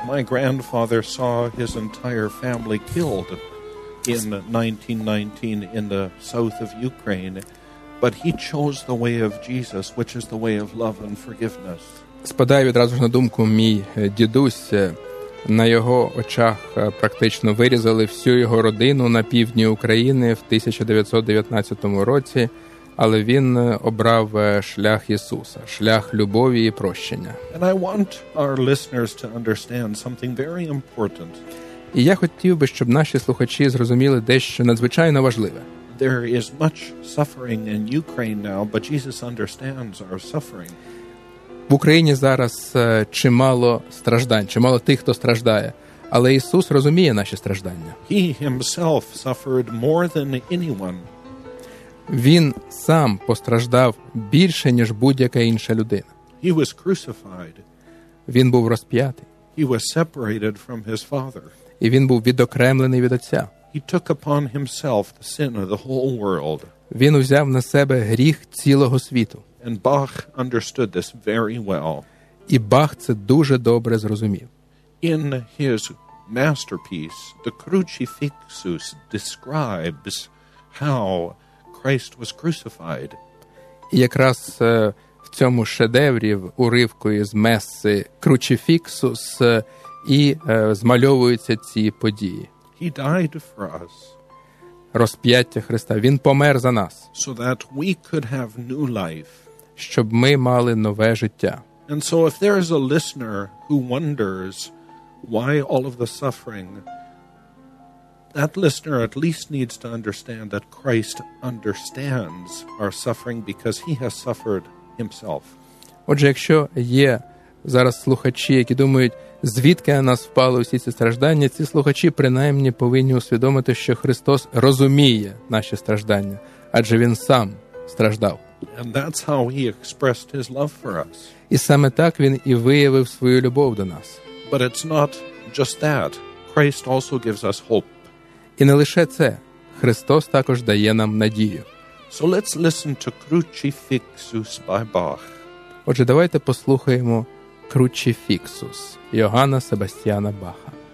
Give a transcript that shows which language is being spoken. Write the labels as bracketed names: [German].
[English] My grandfather saw his entire family killed in 1919 in the south of Ukraine, but he chose the way of Jesus, which is the way of love and forgiveness. [Ukrainian] Спадає відразу ж на думку мій дідусь. На його очах практично вирізали всю його родину на півдні України в 1919 році, але він обрав шлях Ісуса, шлях любові і прощення. [English] And I want our listeners to understand something very important. [Ukrainian] І я хотів би, щоб наші слухачі зрозуміли дещо надзвичайно важливе. [English] There is much suffering in Ukraine now, but Jesus understands our suffering. [Ukrainian] В Україні зараз чимало страждань, чимало тих, хто страждає. Але Ісус розуміє наші страждання. [English] He himself suffered more than anyone. [Ukrainian] Він сам постраждав більше, ніж будь-яка інша людина. [English] He was crucified. [Ukrainian] Він був розп'ятий. [English] He was separated from his father. [Ukrainian] І він був відокремлений від Отця. [English] He took upon himself the sin of the whole world. [Ukrainian] Він узяв на себе гріх цілого світу. [English] And Bach understood this very well. [Ukrainian] І Бах це дуже добре зрозумів. [English] In his masterpiece, the Crucifixus describes how Christ was crucified. [Ukrainian] І якраз в цьому шедеврі, в уривку із меси Crucifixus, і змальовуються ці події. [English] He died for us. [Ukrainian] Розп'яття Христа. Він помер за нас. [English] So that we could have new life. [Ukrainian] Щоб ми мали нове життя. [English] And so if there is a listener who wonders why all of the suffering, that listener at least needs to understand that Christ understands our suffering because he has suffered himself. [Ukrainian] Отже, якщо є зараз слухачі, які думають, звідки на нас впали усі ці страждання, ці слухачі принаймні повинні усвідомити, що Христос розуміє наші страждання, адже він сам страждав. [English] And that's how he expressed his love for us. [Ukrainian] І саме так він і виявив свою любов до нас. [English] But it's not just that. Christ also gives us hope. [Ukrainian] І не лише це. Христос також дає нам надію. [English] So let's listen to Crucifixus by Bach. [Ukrainian] Отже, давайте послухаємо Crucifixus Йоганна Себастьяна Баха.